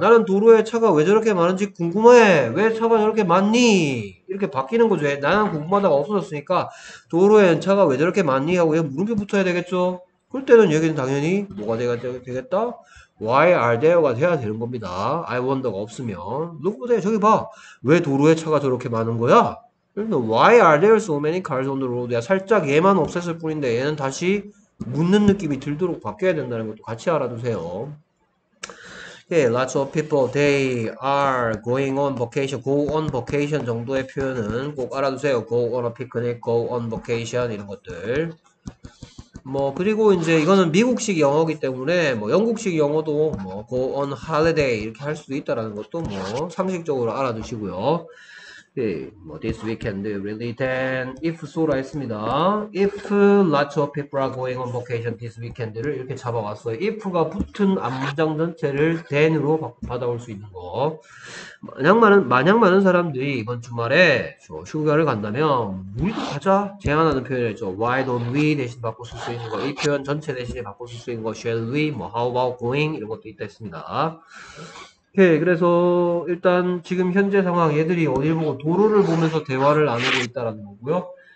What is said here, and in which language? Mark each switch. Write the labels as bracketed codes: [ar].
[ko] 나는 도로에 차가 왜 저렇게 많은지 궁금해. 왜 차가 저렇게 많니? 이렇게 바뀌는 거죠. 나는 궁금하다가 없어졌으니까 도로에 차가 왜 저렇게 많니? 하고 얘 물음표 붙어야 되겠죠? 그럴 때는 여기는 당연히 뭐가 되겠다? [en] Why are there [ko] 가 돼야 되는 겁니다. I wonder가 없으면. [en] Look there, [ko] 저기 봐. 왜 도로에 차가 저렇게 많은 거야? [en] Why are there so many cars on the road? [ko] 야, 살짝 얘만 없앴을 뿐인데 얘는 다시 묻는 느낌이 들도록 바뀌어야 된다는 것도 같이 알아두세요. [en] Okay, lots of people, they are going on vacation. [ko] Go on vacation 정도의 표현은 꼭 알아두세요. [en] Go on a picnic, go on vacation [ko] 이런 것들. 뭐 그리고 이제 이거는 미국식 영어기 때문에 뭐 영국식 영어도 뭐 go on holiday 이렇게 할 수도 있다라는 것도 뭐 상식적으로 알아두시고요. 네, 뭐 [en] this weekend really then if so [ko] 라 했습니다. [en] If lots of people are going on vacation this weekend [ko] 를 이렇게 잡아왔어요. If가 붙은 암문장 전체를 then으로 받아올 수 있는 거. 만약 많은 사람들이 이번 주말에 휴가를 간다면 우리도 가자 제안하는 표현이죠. Why don't we 대신 바꿀 수 있는 거. 이 표현 전체 대신에 바꿀 수 있는 거. [en] Shall we? 뭐 how about going? [ko] 이런 것도 있다 했습니다. 오케이, 그래서 일단 지금 현재 상황 얘들이 어디 보고 도로를 보면서 대화를 나누고 있다라는 거고요.